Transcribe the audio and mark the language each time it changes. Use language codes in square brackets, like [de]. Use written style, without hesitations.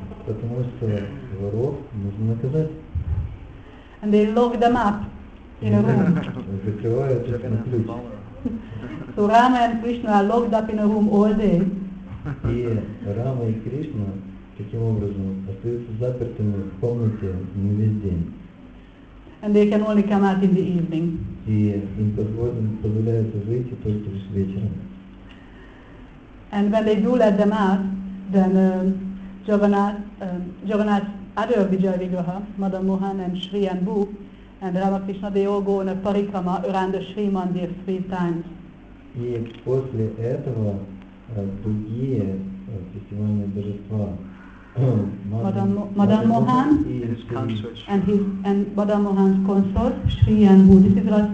[ru] Потому что воров нужно наказать. [en] And they lock them up in a room. [ru] Закрывают их на ключ. [en] So Rama and Krishna are locked up in a room all day. [ru] И Рама и Кришна таким образом остаются запертыми в комнате на весь день. [en] And they can only come out in the evening. [ru] И им позволяется выйти только лишь вечером. [en] And when they do let them out, then Jagannath's other Vijayavigraha, Madan Mohan and Shri Anbu, and Ramakrishna, they all go on a parikrama around the Shri Mandir 3 times. [ru] И после этого другие фестивальные божества, [en] Madan Mohan and Madan Mohan's consort, Shri Anbu, this is